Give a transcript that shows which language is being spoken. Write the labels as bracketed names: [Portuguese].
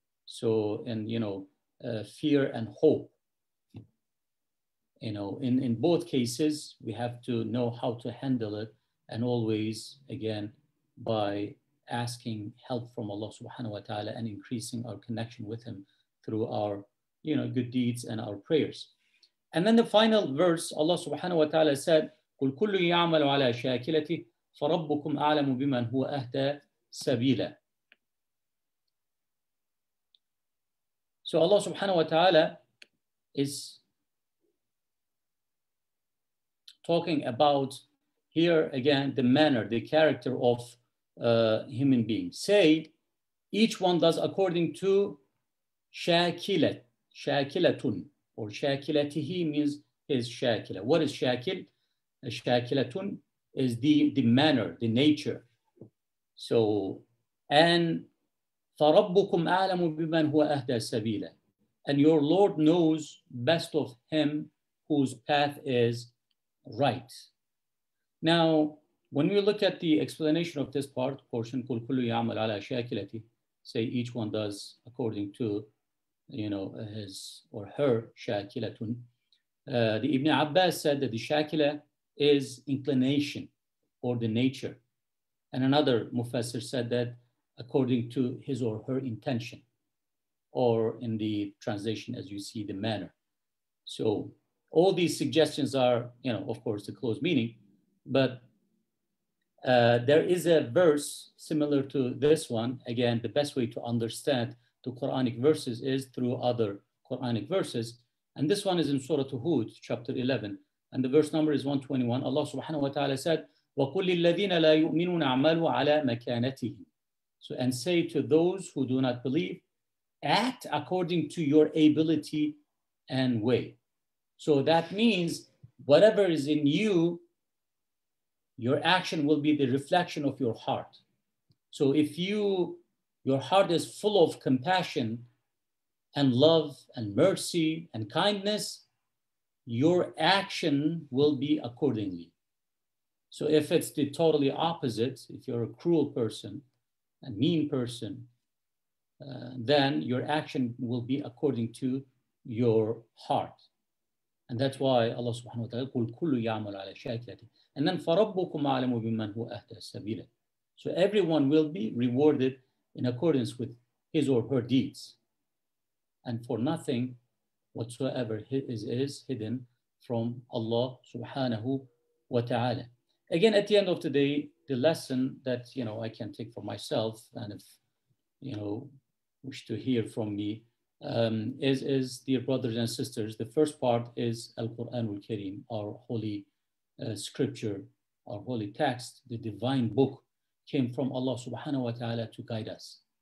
[English] So, and, you know, fear and hope. You know, in both cases, we have to know how to handle it, and always, again, by asking help from Allah subhanahu wa ta'ala and increasing our connection with him through our, you know, good deeds and our prayers. And then the final verse, Allah subhanahu wa ta'ala said, [Arabic] قُلْ كُلُّ يَعْمَلُ عَلَى شَاكِلَتِهِ فَرَبُّكُمْ أَعْلَمُ بِمَنْ هُوَ أَهْدَى سَبِيلًا. [English] So Allah subhanahu wa ta'ala is talking about here again the manner, the character of human beings. Say, each one does according to shakilat, shakilatun, or shakilatihi means his shakila. What is shakil? Shakilatun is the manner, the nature. So, and [Arabic] فَرَبُّكُمْ أَعْلَمُ بِمَنْ هُوَ أَهْدَى سَبِيلًا. [English] And your Lord knows best of him whose path is right. Now, when we look at the explanation of this part, portion, [Arabic] قُلْ كُلُّ يَعْمَلْ عَلَى شَاكِلَتِهِ, [English] say each one does according to, you know, his or her [Arabic] شَاكِلَةٌ. [English] The Ibn Abbas said that the shakila is inclination or the nature. And another mufassir said that according to his or her intention, or in the translation, as you see, the manner. So all these suggestions are, you know, of course, the close meaning, but there is a verse similar to this one. Again, the best way to understand the Quranic verses is through other Quranic verses. And this one is in Surah Hud, chapter 11. And the verse number is 121. Allah subhanahu wa ta'ala said, [Arabic] وَقُلْ لِلَّذِينَ لَا يُؤْمِنُونَ عَمَلُوا عَلَى مَكَانَتِهِمْ. [English] So, and say to those who do not believe, act according to your ability and way. So that means whatever is in you, your action will be the reflection of your heart. So if you, your heart is full of compassion and love and mercy and kindness, your action will be accordingly. So if it's the totally opposite, if you're a cruel person, a mean person, then your action will be according to your heart. And that's why Allah subhanahu wa ta'ala, [Arabic] قُلْ كُلُّ يَعْمَلْ عَلَى شَاكِلَتِهِ. [English] And then [Arabic] فَرَبُّكُمْ عَلَمُ بِمَنْ هُوَ أَهْدَى سَبِيلًا. [English] So everyone will be rewarded in accordance with his or her deeds. And for nothing whatsoever is hidden from Allah subhanahu wa ta'ala. Again, at the end of the day, the lesson that, you know, I can take for myself, and if, you know, wish to hear from me, is, dear brothers and sisters, the first part is Al-Quran al-Karim, our holy scripture, our holy text, the divine book, came from Allah subhanahu wa ta'ala to guide us.